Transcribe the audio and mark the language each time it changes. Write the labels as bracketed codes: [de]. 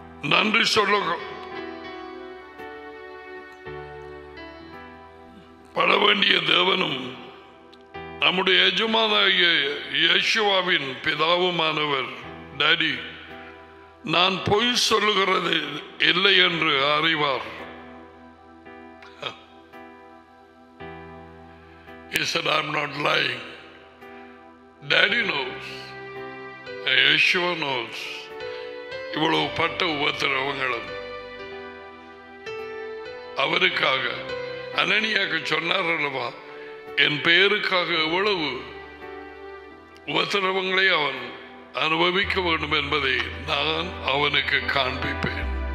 [ta] நன்றி சொல்ல பட வேண்டிய தேவனும் நம்முடைய எஜமானாகிய யேசுவாவின் பிதாவுமானவர், டாடி நான் பொய் சொல்லுகிறது இல்லை என்று அறிவார். [en] He said, I'm not lying. Daddy knows. Yeshua knows. [ta] இவ்வளவு பட்ட உபத்திரவங்களும் அவருக்காக. அனனியாக்கு சொன்னார்வா, என் பெயருக்காக எவ்வளவு உபத்திரவங்களை அவன் அனுபவிக்க வேண்டும் என்பதை நான் அவனுக்கு காண்பிப்பேன்.